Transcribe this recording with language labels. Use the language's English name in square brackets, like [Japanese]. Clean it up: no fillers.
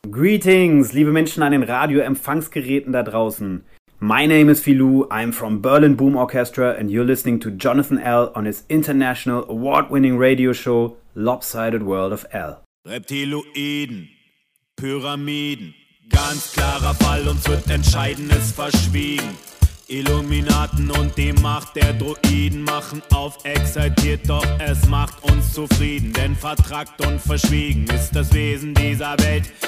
[English] Greetings, [German] liebe Menschen an den Radioempfangsgeräten da draußen. [English] My name is Filou, I'm from Berlin Boom Orchestra, and you're listening to Jonathan L. on his international award-winning radio show, Lopsided World of L. [German] Reptiloiden, Pyramiden, Ganz klarer Fall, uns wird Entscheidendes verschwiegen. Illuminaten und die Macht der Druiden machen auf exaltiert, doch es macht uns zufrieden. Denn vertrackt und verschwiegen ist das Wesen dieser Welt.